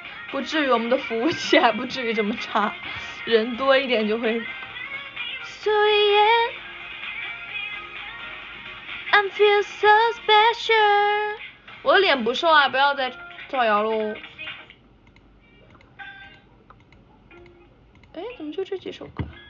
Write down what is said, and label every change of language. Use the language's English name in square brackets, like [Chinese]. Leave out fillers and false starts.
[Chinese] 不至于，我们的服务器还不至于这么差，人多一点就会。 [English] So yeah, I'm feel so special. [Chinese] 我脸不瘦啊，不要再造谣喽。哎，怎么就这几首歌？